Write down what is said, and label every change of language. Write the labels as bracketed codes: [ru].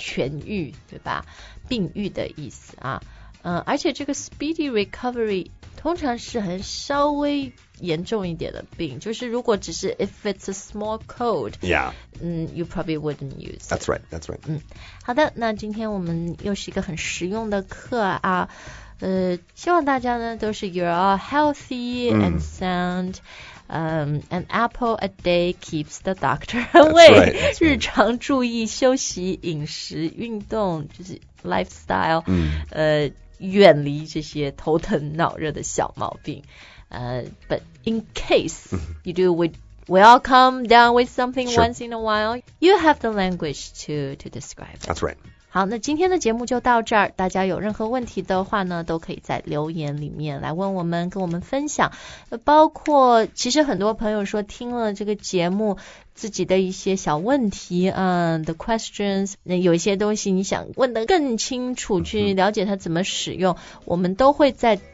[zh] 痊愈对吧病愈的意思啊、而且这个 speedy recovery 通常是很稍微严重一点的病就是如果只是 [en] If it's a small cold Yeah、 You probably wouldn't use That's right That's right、 [zh] 好的那今天我们又是一个很实用的课啊希望大家呢都是 [en] You're all healthy、 [zh] mm. [en] and sound、An apple a day keeps the doctor away That's right, that's right. [zh] 日常注意休息饮食运动就是 lifestyle、 mm. 远离这些头疼脑热的小毛病 [en] but in case you do, we all come down with something、 sure. once in a while. You have the language to describe. That's right. [zh] 好，那今天的节目就到这儿。大家有任何问题的话呢，都可以在留言里面来问我们，跟我们分享。包括其实很多朋友说听了这个节目，自己的一些小问题，the questions， 那有一些东西你想问得更清楚，去了解它怎么使用，我们都会在。